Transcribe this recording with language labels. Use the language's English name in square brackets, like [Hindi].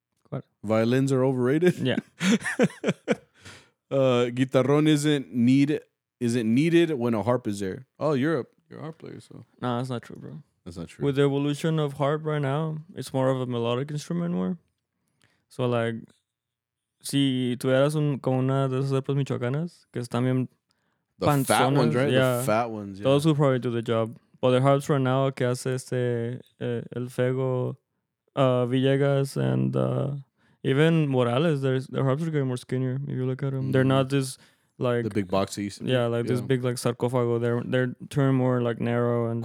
[English] What? Violins are overrated? Yeah. Guitarrón isn't needed when a harp is there. Oh, you're a harp player, so. No, that's not true, bro. That's not true. With the evolution of harp right now, it's more of a melodic instrument more. So, like, [Spanish] si tú eras como una de esas arpas michoacanas, que están bien panzonas. [English] The fat ones, right? Yeah. The fat ones, yeah. Those will probably do the job. But the harps right now, [Spanish] que hace el [English] Fego, Villegas, and even Morales, their harps are getting more skinnier if you look at them. Mm. They're not this, like the big boxies. Yeah, like this big like sarcophago. They're turned more like narrow and